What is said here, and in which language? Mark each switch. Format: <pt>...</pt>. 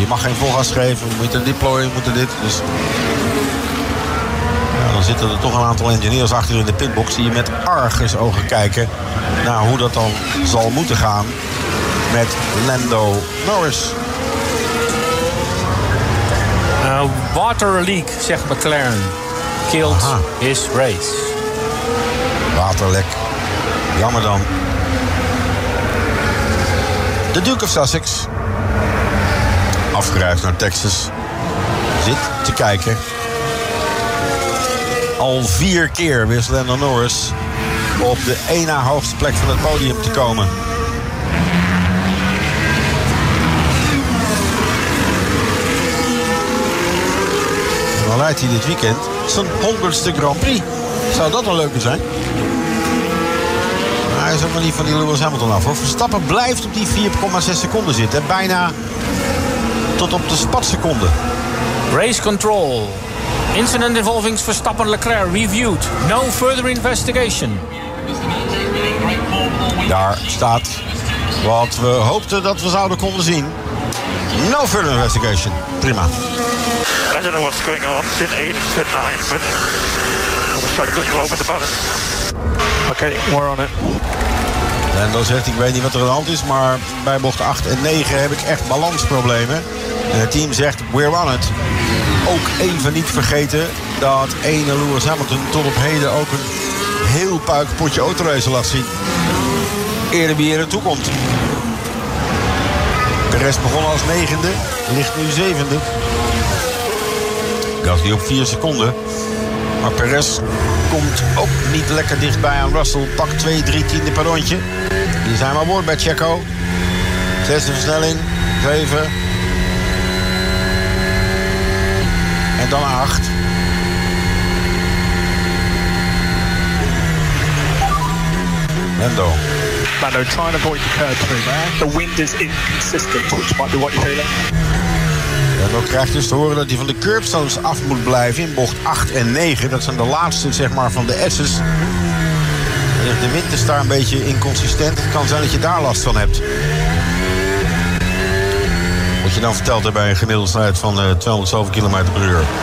<nl>Je mag geen volgas geven, we moeten deployen, we moeten dit. Dus dan zitten er toch een aantal engineers achter in de pitbox die je met argus ogen kijken naar hoe dat dan zal moeten gaan met Lando Norris.</nl> <en>Water leak,</en> <nl>zegt</nl> <en>McLaren, killed his race.</en> <nl>Waterlek, jammer dan. De Duke of Sussex, afgereisd naar Texas, zit te kijken al 4 keer wist Lando Norris op de 1 na hoogste plek van het podium te komen. En dan leidt hij dit weekend zijn 100ste Grand Prix. Zou dat een leuke zijn? Maar hij is ook nog niet van die Lewis Hamilton af. Verstappen blijft op die 4,6 seconden zitten. En bijna tot op de spatseconde.</nl> <en>Race control. Incident involving Verstappen Leclerc reviewed. No further investigation.</en> <nl>Daar staat wat we hoopten dat we zouden konden zien.</nl> <en>No further investigation.</en> <nl>Prima.</nl> <en>I don't know what's going on. Did 8, did 9, but I'm struggling to open the button. Okay, we're on it.</en> <nl>Lando zegt, ik weet niet wat er aan de hand is, maar bij bocht 8 en 9 heb ik echt balansproblemen. En het team zegt,</nl> <en>we're on it.</en> <nl>Ook even niet vergeten dat ene Lewis Hamilton tot op heden ook een heel puik potje autorace laat zien. Eerder wie er toe komt. De rest begon als 9e, ligt nu 7e. Gasly op 4 seconden. Maar Perez komt ook niet lekker dichtbij aan Russell. Pak 2-3 tiende per rondje. Die zijn maar woord bij Checo. Zesde versnelling. 7. En dan 8. Lando.</nl> <en>Lando, try and avoid the curb through, man. The wind is inconsistent, which might be what you're feeling.</en> <nl>Lando krijgt dus te horen dat hij van de curbstones af moet blijven in bocht 8 en 9. Dat zijn de laatste, zeg maar, van de S's. De wind is daar een beetje inconsistent. Het kan zijn dat je daar last van hebt. Wat je dan vertelt bij een gemiddelde snelheid van 200 zoveel kilometer per uur.</nl>